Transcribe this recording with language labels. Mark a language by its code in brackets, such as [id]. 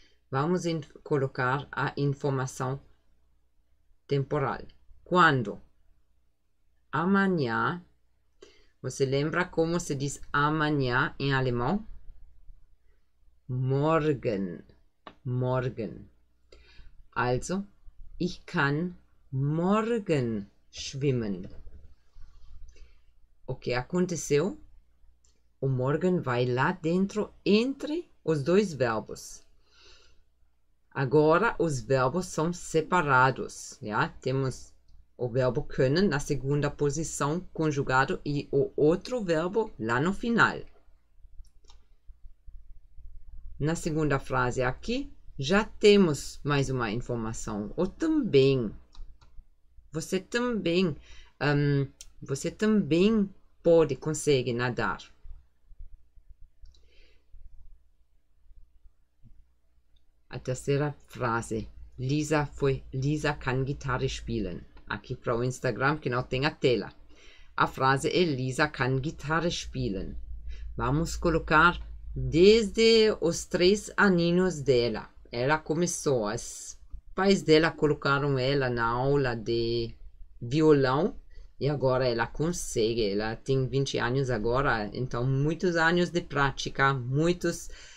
[pt] Vamos colocar a informação temporal. Quando? Amanhã. Você lembra como se diz amanhã em alemão? [de] Morgen. Morgen. Also, ich kann morgen schwimmen. [pt] O que aconteceu? O morgen vai lá dentro entre os dois verbos. Agora, os verbos são separados, já? Temos o verbo können na segunda posição conjugado e o outro verbo lá no final. Na segunda frase aqui, já temos mais uma informação. Ou também, você também pode, consegue nadar. A terceira frase. [de] Lisa kann Gitarre spielen. [pt] Aqui para o Instagram, que não tem a tela. A frase é [de] Lisa kann Gitarre spielen. [pt] Vamos colocar desde os 3 aninhos dela. Ela começou, os pais dela colocaram ela na aula de violão. E agora ela consegue. Ela tem 20 anos agora. Então, muitos anos de prática. Muitos...